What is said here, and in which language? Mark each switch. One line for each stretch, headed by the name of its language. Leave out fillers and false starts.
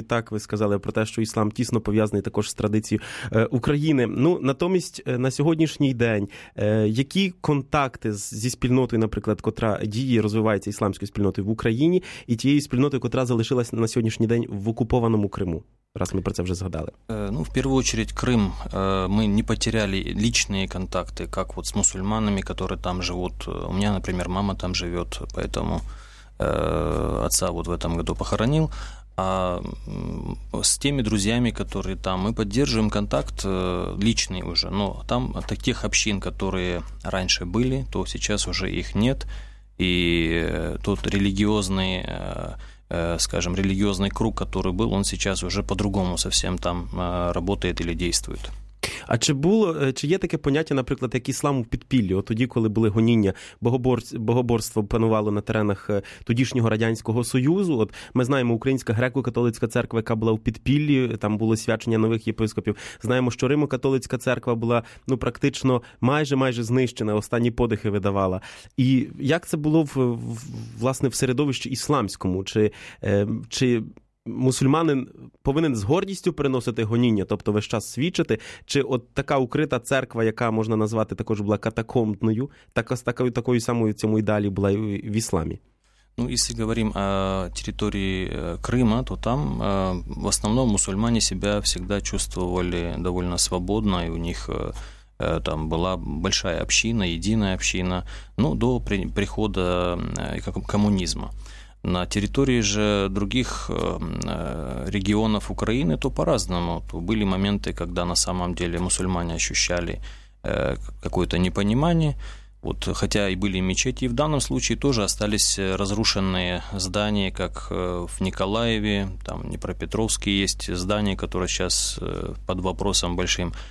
Ukrainian: Відтак, ви сказали про те, що іслам тісно пов'язаний також з традицією України. Ну, натомість, на сьогоднішній день, які контакти зі спільнотою, наприклад, котра діє, розвивається ісламською спільнотою в Україні, і тією спільнотою, котра залишилась на сьогоднішній день в окупованому Криму?
Russian: Раз мы про это уже сгадали. Ну, в первую очередь, Крым. Мы не потеряли личные контакты, как вот с мусульманами, которые там живут. У меня, например, мама там живет, поэтому отца вот в этом году похоронил. А с теми друзьями, которые там, мы поддерживаем контакт личный уже. Но там тех общин, которые раньше были, то сейчас уже их нет. И тот религиозный... скажем, религиозный круг, который был, он сейчас уже по-другому совсем там работает или действует.
Ukrainian: А чи було, чи є таке поняття, наприклад, як іслам у підпіллі? От тоді, коли були гоніння, богоборство панувало на теренах тодішнього Радянського Союзу. От ми знаємо, українська греко-католицька церква, яка була у підпіллі, там було свячення нових єпископів. Знаємо, що Римо-католицька церква була, ну, практично майже-майже знищена, останні подихи видавала. І як це було власне в середовищі ісламському? Чи мусульманин повинен з гордістю переносити гоніння, тобто весь час свідчити, чи от така укрита церква, яка можна назвати також була катакомбною, такою самою цьому і далі була в ісламі? Ну, якщо говоримо о території Криму, то там в основному мусульмани себе завжди
Russian: чувствовали
Ukrainian: доволі
Russian: свободно,
Ukrainian: і у них там була велика
Russian: община, єдина община,
Ukrainian: ну, до приходу комунізму.
Russian: На территории же других регионов Украины то по-разному. То были моменты, когда на самом деле мусульмане ощущали какое-то непонимание. Вот, хотя и были мечети, и в данном случае тоже остались разрушенные здания, как в Николаеве, там в Днепропетровске есть здание, которое сейчас под вопросом большим.